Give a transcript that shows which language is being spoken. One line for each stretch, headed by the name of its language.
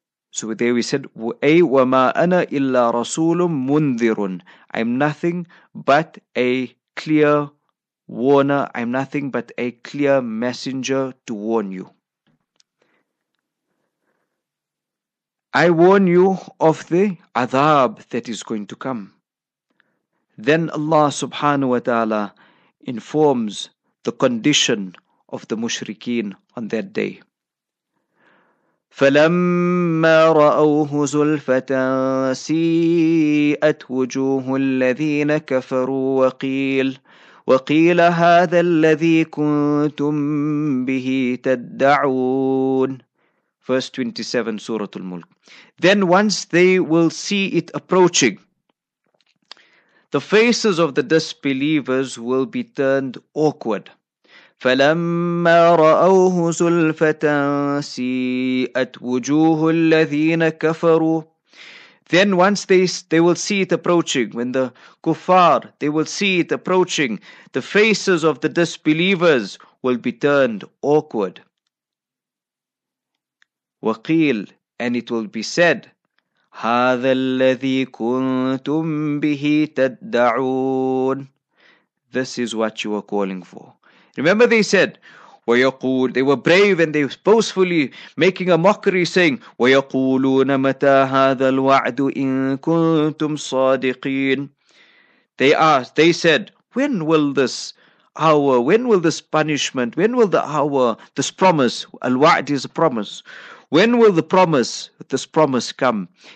English: So there we said,
Arabic: وَمَا أَنَا إِلَّا رَسُولٌ مُنذِرٌ.
English: I'm nothing but a clear warner. I'm nothing but a clear messenger to warn you. I warn you of the adab that is going to come. Then Allah subhanahu wa ta'ala informs the condition of the mushrikeen on that day.
Arabic: فلما رأوه زلفة سيئت وجوه الذين كفروا وقيل هذا الذي كنتم به تدعون.
English: Verse 27, Surah Al-Mulk. Then once they will see it approaching, the faces of the disbelievers will be turned awkward.
Arabic: فَلَمَّا رَأَوْهُ زُلْفَةً سِيئَتْ وُجُوهُ الَّذِينَ كَفَرُوا.
English: Then once they will see it approaching, when the kuffar, they will see it approaching, the faces of the disbelievers will be turned awkward.
Arabic: وَقِيل,
English: and it will be said,
Arabic: هَذَا الَّذِي كُنْتُمْ بِهِ تَدَّعُونَ.
English: This is what you were calling for. Remember they said,
Arabic: وَيَقُولُ,
English: they were brave and they were boastfully making a mockery saying,
Arabic: وَيَقُولُونَ مَتَى هَذَا الْوَعْدُ إِن كُنْتُمْ صَادِقِينَ.
English: They said, when will this hour, when will this punishment, when will the hour, this promise, al-wa'd is a promise, when will the promise, this promise come?